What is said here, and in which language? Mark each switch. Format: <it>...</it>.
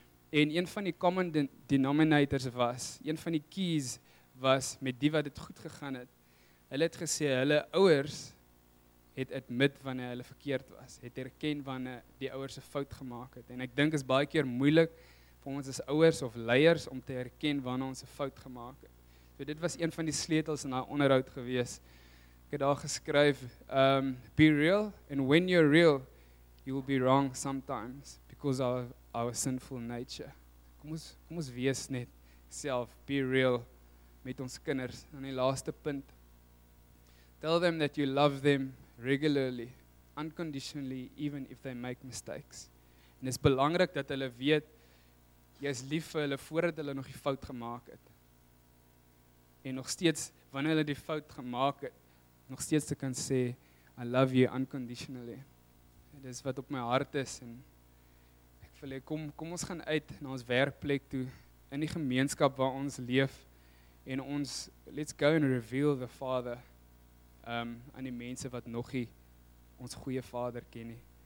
<af>En een van die</af> <en>common denominators</en> <af>was, een van die keys was met die wat het goed gegaan het, hulle het gesê, hulle ouers het admit wanneer hulle verkeerd was, het erken wanneer die ouers 'n fout gemaak het. En ek dink is baie keer moeilik vir ons as ouers of leiers om te erken wanneer ons 'n fout gemaak het. So dit was een van die sleutels in daai onderhoud gewees. Ek het daar geskryf,</af> <en>be real, and when you're real, you will be wrong sometimes, because of our sinful nature.</en> <af>Kom ons wees net self,</af> <en>be real,</en> <af>met ons kinders, aan die laaste punt.</af> <en>Tell them that you love them regularly, unconditionally, even if they make mistakes.</en> <af>En is belangrik dat hulle weet, jy is lief vir hulle voordat hulle nog die fout gemaak het. En nog steeds, wanneer hulle die fout gemaak het, nog steeds te kan sê,</af> <en>I love you unconditionally.</en> <af>Dit is wat op my hart is. En ek wil hê, kom ons gaan uit na ons werkplek toe, in die gemeenskap waar ons leef, en ons,</af> <en>let's go and reveal the Father</en> <af>aan die mense wat nog nie ons goeie Vader ken nie.</af>